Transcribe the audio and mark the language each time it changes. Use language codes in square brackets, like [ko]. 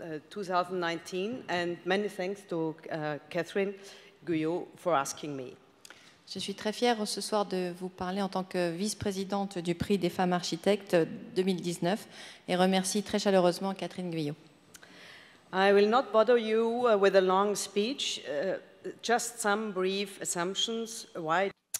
[en] 2019, and many thanks to Catherine Guyot for asking me. [fr] Je suis très fière ce soir de vous parler en tant que vice-présidente du Prix des femmes architectes 2019 et remercie très chaleureusement Catherine Guyot. [en] I will not bother you with a long speech, just some brief assumptions. Why?